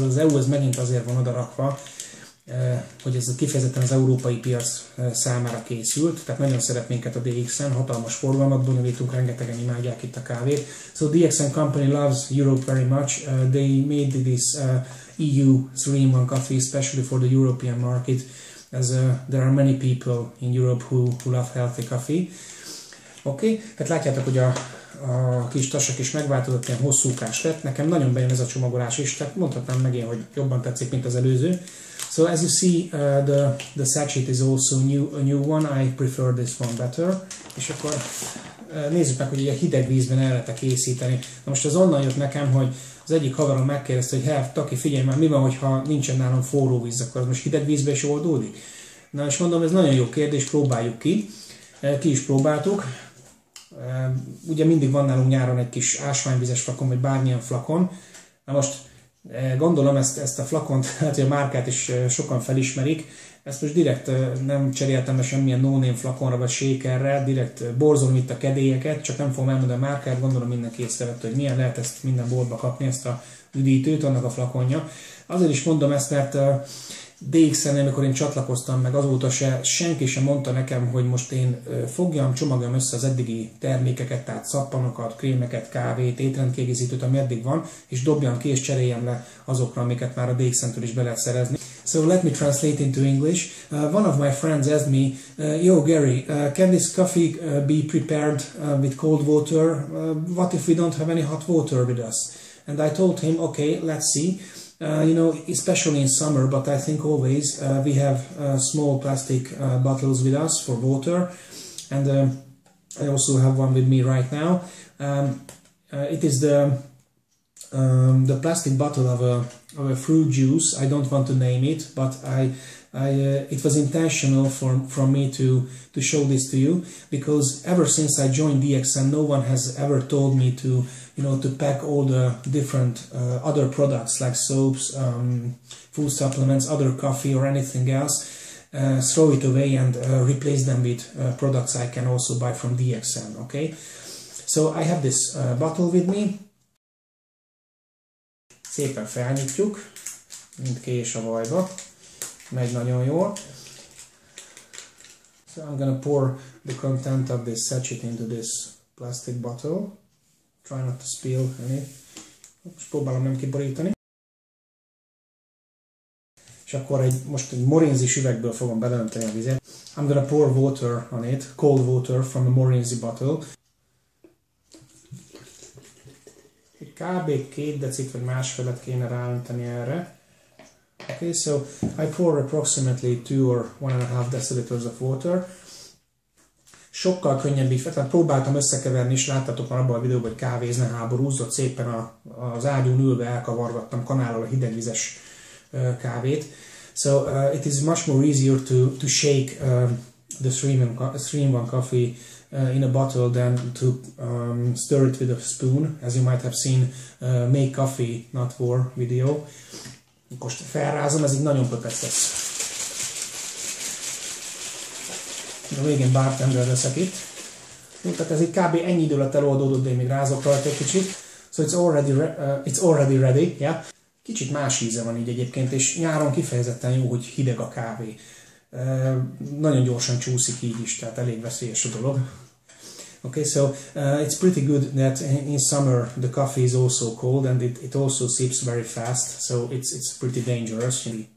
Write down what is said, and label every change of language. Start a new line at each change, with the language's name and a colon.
Hungarian: Az EU ez megint azért van odarakva, hogy ez kifejezetten az európai piac számára készült. Tehát nagyon szeret minket a DXN, hatalmas forgalmat bonyolítunk, rengetegen imádják itt a kávét.
English: So DXN company loves Europe very much. They made this EU 3-in-1 coffee especially for the European market, as there are many people in Europe who love healthy coffee.
Hungarian: Okay, hát látjátok, hogy a kis tasak is megváltozott, ilyen hosszúkás lett. Nekem nagyon bejön ez a csomagolás is, tehát mondhatnám meg én, hogy jobban tetszik, mint az előző.
English: So as you see, the sachet is also a new one. I prefer this one better.
Hungarian: És akkor nézzük meg, hogy ugye hideg vízben el lehet-e készíteni. Na most az onnan jött nekem, hogy az egyik haverom megkérdezte, hogy hát, Taki, figyelj már, mi van, hogyha nincsen nálam forró víz, akkor az most hideg vízben is oldódik? Na és mondom, ez nagyon jó kérdés, próbáljuk ki. Ki is próbáltuk. Ugye mindig van nálunk nyáron egy kis ásványvizes flakon, vagy bármilyen flakon. Na most gondolom ezt a flakont, hát a márkát is sokan felismerik. Ezt most direkt nem cseréltem semmilyen no-name flakonra, vagy shakerre, direkt borzolom itt a kedélyeket, csak nem fogom elmondani a márkát, gondolom mindenki észrevett, hogy milyen lehet ezt minden boltba kapni, ezt a üdítőt, annak a flakonja. Azért is mondom ezt, mert DXN-nél, amikor én csatlakoztam meg, azóta se senki sem mondta nekem, hogy most én fogjam, csomagjam össze az eddigi termékeket, tehát szappanokat, krémeket, kávét, étrendkiegészítőt, ami eddig van, és dobjam ki és cseréljem le azokra, amiket már a DXN-től is be lehet szerezni.
English: So let me translate into English. One of my friends asked me, yo Gary, can this coffee be prepared with cold water? What if we don't have any hot water with us? And I told him, okay, let's see. You know, especially in summer, but I think always we have small plastic bottles with us for water, and I also have one with me right now. It is the plastic bottle of a fruit juice. I don't want to name it, but it was intentional from me to show this to you, because ever since I joined DXN, no one has ever told me to, you know, to pack all the different other products like soaps, food supplements, other coffee or anything else, throw it away and replace them with products I can also buy from DXN, okay? So I have this bottle with me.
Hungarian: Szépen felnyitjuk, mint kés a vajba. Megy nagyon jól.
English: So I'm gonna pour the content of this sachet into this plastic bottle. Try not to spill any.
Hungarian: Most próbálom nem kiborítani. És akkor most egy morinzi üvegből fogom beleönteni a vizet.
English: I'm gonna pour water on it, cold water from a morinzi bottle.
Hungarian: Kb. 2 decit vagy másfelet kéne ráönteni erre.
English: Okay, so I pour approximately 2 or 1.5 deciliters of water.
Hungarian: sokkal könnyebb így, tehát próbáltam összekeverni, és láttatok már abban a videóban, hogy kávézne háborúzott, szépen az ágyon ülve elkavargattam kanállal a hidegvizes kávét.
English: So it is much more easier to shake the three-in-one coffee in a bottle than to stir it with a spoon, as you might have seen make coffee, not war video.
Hungarian: Most felrázom, ez így nagyon pöpec lesz. A végén bartender leszek itt. Tehát ez így kb. Ennyi idő alatt eloldódott, de én még rázok rajta egy kicsit.
English: So it's already ready, yeah.
Hungarian: Kicsit más íze van így egyébként, és nyáron kifejezetten jó, hogy hideg a kávé. Nagyon gyorsan csúszik így is, tehát elég veszélyes a dolog.
English: Okay, so it's pretty good that in summer the coffee is also cold and it also seeps very fast, so it's pretty dangerous.